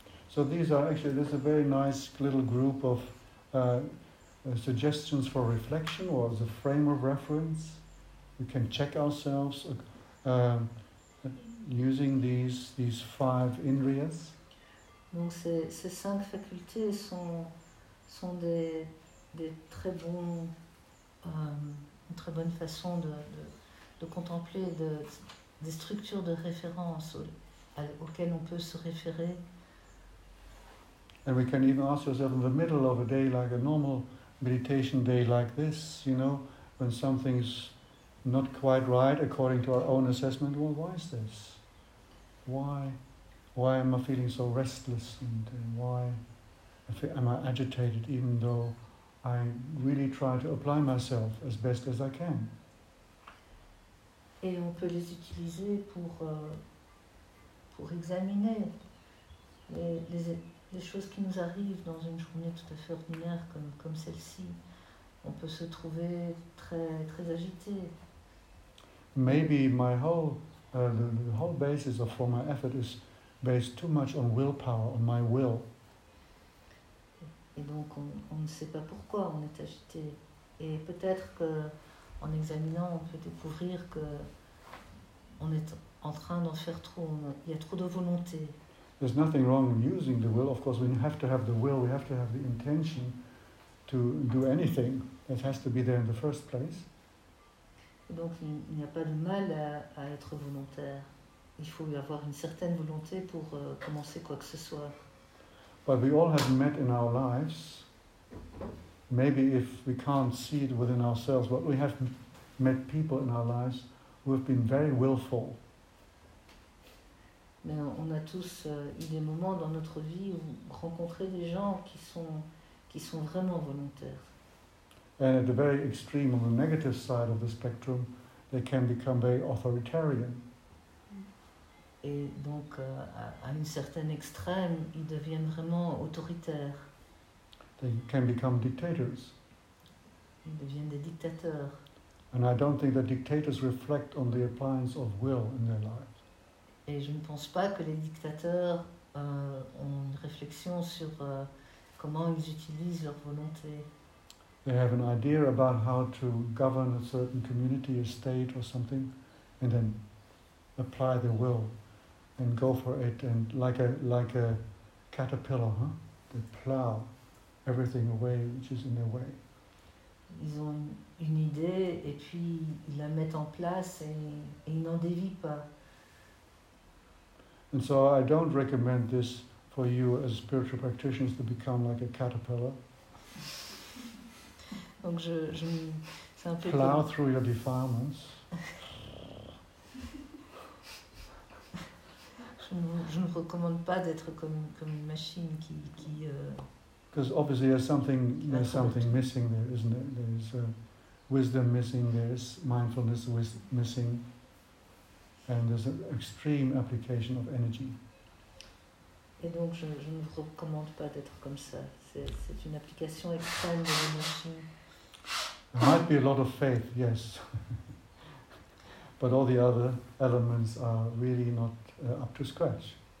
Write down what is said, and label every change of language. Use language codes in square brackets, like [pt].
[en] So these are actually, this is a very nice little group of suggestions for reflection, or as a frame of reference, we can check ourselves using these five indriyas. [fr] Donc ces cinq facultés sont des très bons une très bonne façon de contempler des structures de référence auxquelles on peut se référer. [en] And we can even ask ourselves in the middle of a day, like a normal meditation day like this, you know, when something's not quite right according to our own assessment, well, why is this? Why am I feeling so restless, and why am I agitated, even though I really try to apply myself as best as I can? [fr] Et on peut les utiliser pour examiner les choses qui nous arrivent dans une journée tout à fait ordinaire comme celle-ci. On peut se trouver très très agité. [en] Maybe my whole the whole basis of for my effort is based too much on willpower, on my will. [fr] Et donc on ne sait pas pourquoi on est agité, et peut-être que en examinant on peut découvrir que on est en train d'en faire trop, il y a trop de volonté. [en] There's nothing wrong in using the will. Of course, we have to have the will, we have to have the intention to do anything. It has to be there in the first place. [fr] Donc, il n'y a pas de mal à être volontaire. Il faut avoir une certaine volonté pour commencer quoi que ce soit. [en] But we all have met in our lives, maybe if we can't see it within ourselves, but we have met people in our lives who have been very willful. [fr] Mais on a tous eu des moments dans notre vie où rencontrer des gens qui sont vraiment volontaires. [en] And at the very extreme, on the negative side of the spectrum, they can become very authoritarian. [fr] Et donc, à une certaine extrême, ils deviennent vraiment autoritaires. [en] They can become dictators. [fr] Ils deviennent des dictateurs. [en] And I don't think that dictators reflect on the appliance of will in their lives. [fr] Et je ne pense pas que les dictateurs ont une réflexion sur comment ils utilisent leur volonté. [en] They have an idea about how to govern a certain community, a state or something, and then apply their will and go for it, and like a caterpillar, huh? They plow everything away which is in their way. [fr] Ils ont une idée et puis ils la mettent en place et ils n'en dévient pas. [en] And so I don't recommend this for you as spiritual practitioners to become like a caterpillar. [fr] Donc je c'est un peu [en] plow through your defilements. [fr] Je ne recommande pas d'être comme une machine qui [en] because obviously there's something missing there, isn't it? There's wisdom missing, there's mindfulness missing, and there's an extreme application of energy. [fr] Et donc je ne recommande pas d'être comme ça. C'est une application extrême de l'énergie. [en] There might be a lot of faith, yes. But all the other elements are really not up to scratch.